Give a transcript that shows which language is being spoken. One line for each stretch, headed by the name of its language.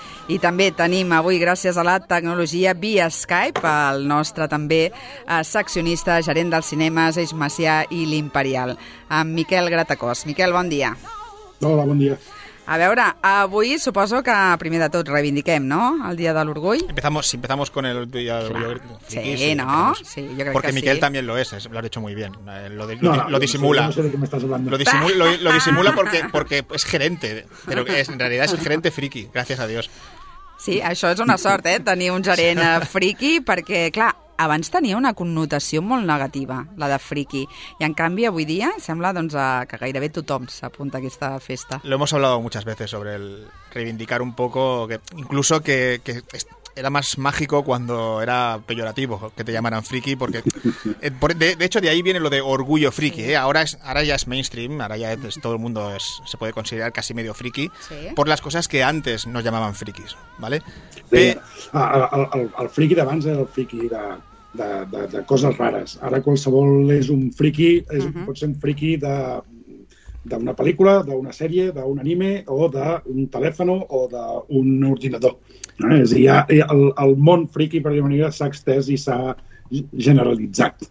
Catalan: I també tenim avui, gràcies a la tecnologia via Skype, el nostre també seccionista, gerent dels cinemes, Eix Macià i l'Imperial, amb Miquel Gratacós. Miquel, bon dia. Hola, bon dia. A veure, avui suposo que primer de tot reivindiquem, no?, el Dia de l'Orgull.
Spanish: Empezamos, si empezamos con el Dia de l'Orgull Friki. Sí, sí, ¿no? Empezamos. Sí, yo creo Porque que Miquel sí. También lo es, lo ha hecho muy bien. Lo disimula. No sé de qué me estás hablando. Lo disimula porque es gerente, pero en realidad es el gerente friki, gracias a Dios.
Catalan: Sí, això és una sort, tenir un gerent friki, perquè, clar, abans tenia una connotació molt negativa, la de friki, i en canvi avui dia sembla doncs, que gairebé tothom s'apunta a aquesta festa.
Spanish: Lo hemos hablado muchas veces sobre el reivindicar un poco, que incluso que era más mágico cuando era peyorativo que te llamaran friki, porque de hecho de ahí viene lo de orgullo friki, sí. Ahora ya es mainstream, ahora ya es, todo el mundo es, se puede considerar casi medio friki, sí. Por las cosas que antes nos llamaban frikis, ¿vale?
Catalan: El friki d'abans era el friki de coses rares. Ara qualsevol és un friki, pot ser un friki d'una pel·lícula, d'una sèrie, d'un anime, o d'un telèfon, o d'un ordinador. No? És a dir, el món friki, per dir-ho manera, s'ha extès i s'ha generalitzat.